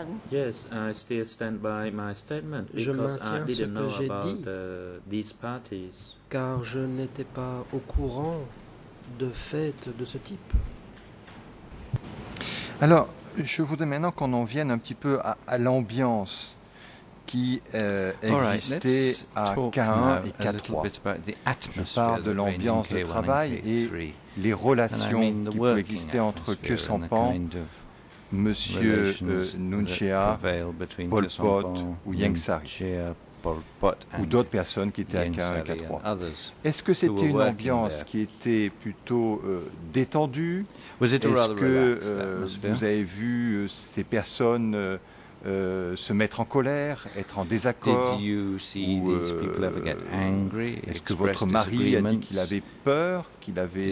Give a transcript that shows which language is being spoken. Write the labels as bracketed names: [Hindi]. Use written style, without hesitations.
[English] Yes, I still stand by my statement because I didn't know about these parties. [French] Car je n'étais pas au courant de fêtes de ce type. Alors, je voudrais maintenant qu'on en vienne un petit peu à l'ambiance qui existait à K1 et K3. Je parle de l'ambiance de travail et les relations qui pouvaient exister entre Kyo Sampan, M. Nunchia, Pol Pot ou Inzari, ou d'autres personnes qui étaient à K1 et K3. Est-ce que c'était une ambiance qui était plutôt détendue? Est-ce que vous avez vu ces personnes se mettre en colère, être en désaccord? [English] Did you see ou, these people ever get angry, [French] est-ce que votre mari a dit qu'il avait peur, qu'il avait